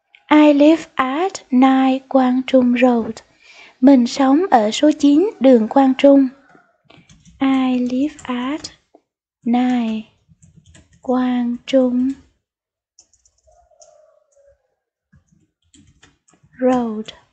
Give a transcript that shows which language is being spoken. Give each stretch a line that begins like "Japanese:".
English: I live at 9 Quang Trung Road.
Vietnamese: Mình sống ở số 9 đường Quang Trung.
English: I live at 9 Quang Trung Road.